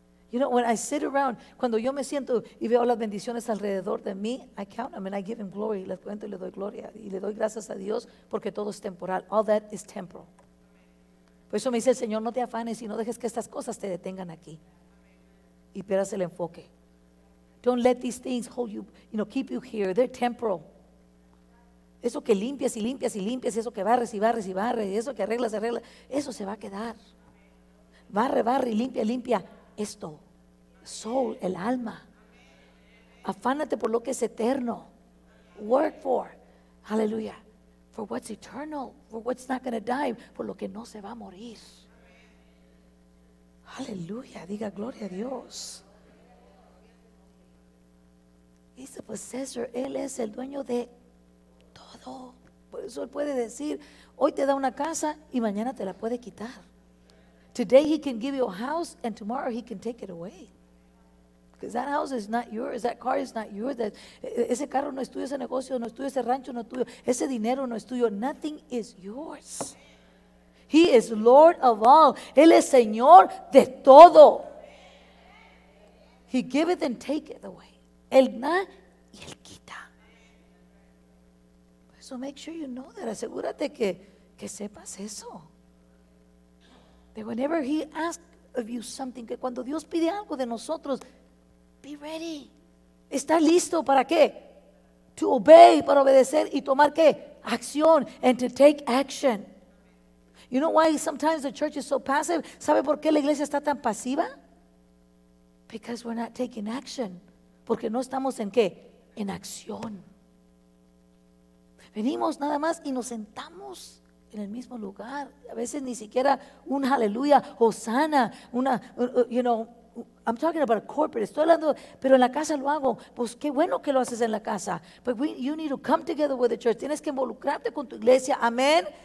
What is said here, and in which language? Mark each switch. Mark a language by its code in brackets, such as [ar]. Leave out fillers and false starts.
[en] You know, when I sit around, [es] cuando yo me siento y veo las bendiciones alrededor de mí, [en] I count them and I give him glory. [es] Les cuento y le doy gloria y le doy gracias a Dios porque todo es temporal. [en] All that is temporal. [es] Por eso me dice el Señor, no te afanes y no dejes que estas cosas te detengan aquí. Y pierdas el enfoque. [en] Don't let these things hold you, you know, keep you here. They're temporal. [es] Eso que limpias y limpias y limpias, eso que barres y barres y barres, y eso que arreglas y arreglas, eso se va a quedar. Barre, barre y limpia, limpia. Esto, soul, el alma. Afánate por lo que es eterno. [en] Work for, hallelujah, for what's eternal, for what's not going to die, [es] por lo que no se va a morir. Hallelujah, diga gloria a Dios. [en] He's the possessor, [es] él es el dueño de todo. Por eso él puede decir, hoy te da una casa y mañana te la puede quitar. [en] Today he can give you a house and tomorrow he can take it away. Because that house is not yours, that [es] car is not yours, that ese carro no es tuyo, ese negocio no es tuyo, ese rancho no es tuyo, ese dinero no es tuyo. [en] Nothing is yours. He is Lord of all. [es] Él es Señor de todo. [en] He giveth and taketh away. [es] Él da y él quita. [en] So make sure you know that. [es] Asegúrate que sepas eso. [en] That whenever he asks of you something, [es] que cuando Dios pide algo de nosotros, [en] be ready. [es] ¿Está listo para qué? [en] To obey, [es] para obedecer y tomar qué? [en] Acción, and to take action. You know why sometimes the church is so passive? [es] ¿Sabe por qué la iglesia está tan pasiva? [en] Because we're not taking action. [es] Porque no estamos en qué? En acción. Venimos nada más y nos sentamos en el mismo lugar, a veces ni siquiera un aleluya, hosana, una, you know, [en] I'm talking about a corporate, [es] estoy hablando, pero en la casa lo hago, pues qué bueno que lo haces en la casa, [en] but you need to come together with the church, [es] tienes que involucrarte con tu iglesia, amén,